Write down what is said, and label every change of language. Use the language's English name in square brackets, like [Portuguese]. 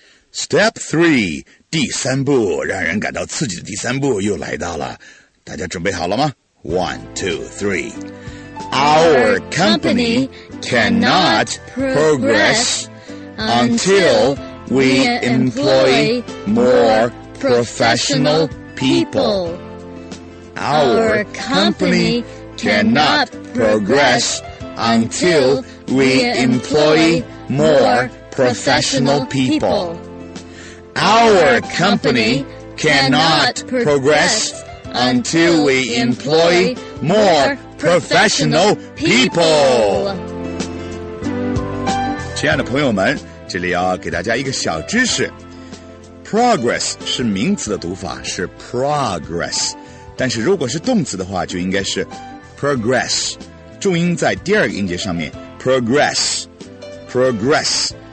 [English] Step 3, [Chinese] 第三步，让人感到刺激的第三步又来到了。大家准备好了吗?1, 2, 3. [English] Our company cannot progress until we employ more professional people. Our company cannot progress until we employ more professional people. Our company cannot progressUntil we employ more professional people. [Chinese] 亲爱的朋友们，这里要给大家一个小知识。 Progress 是名词的读法，是 progress。但是如果是动词的话，就应该是 progress。重音在第二个音节上面 ，progress, progress。